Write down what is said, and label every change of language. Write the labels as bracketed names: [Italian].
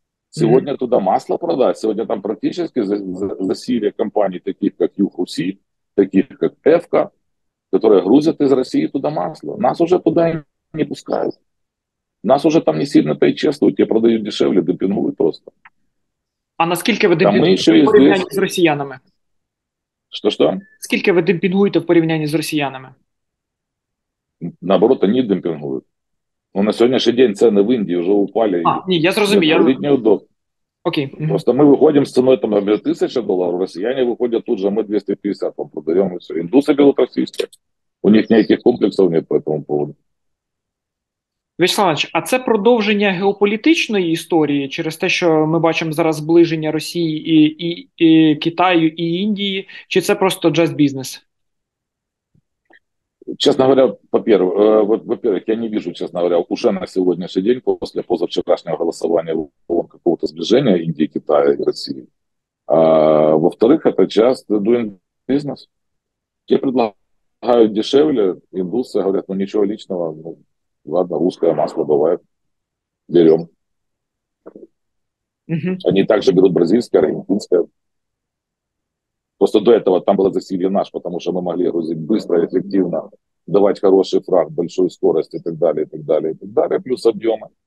[Russian] Сегодня туда масло продать, сегодня там практически засилие компаний, таких как Юг-Руси, таких как Эвка, которые грузят из России туда масло. Нас уже туда не пускают. Нас уже там не сильно-то и чествуют, тебе продают дешевле, допинули просто. [Ukrainian] А наскільки ви демпінгуєте в порівнянні з росіянами? Що-що? Скільки ви демпінгуєте в порівнянні з росіянами? Наоборот, вони демпінгують. Ну, на сьогоднішній день ціни в Індії вже упали. А, ні, я зрозумію. Літній удок. Окей. Просто ми виходимо з ціною там на 1000 доларів, росіяни виходять тут же, ми 250 вам продаємо. Все. Індуси білоросійські. У них ніяких комплексів немає по цьому поводу. Вячеслав Іванович, а це продовження геополітичної історії через те, що ми бачимо зараз зближення Росії і Китаю, і Індії, чи це просто [English] just business? [Ukrainian] Чесно говоря, по-перше, я не бачу, чесно говоря, уже на сьогоднішній день, після позавчорашнього голосування ООН, якогось зближення Індії, Китаю і Росії. А во-вторых, це час [English] doing business. [Ukrainian] Ті предлагають дешевле, індуси говорять, ну нічого личного, ну, ладно, [Russian] русское масло бывает. Берем. Угу. Они также берут бразильское, аргентинское. Просто до этого там было засилье наш, потому что мы могли грузить быстро, эффективно, давать хороший фракт, большую скорость и так далее, и так далее, и так далее. Плюс объемы.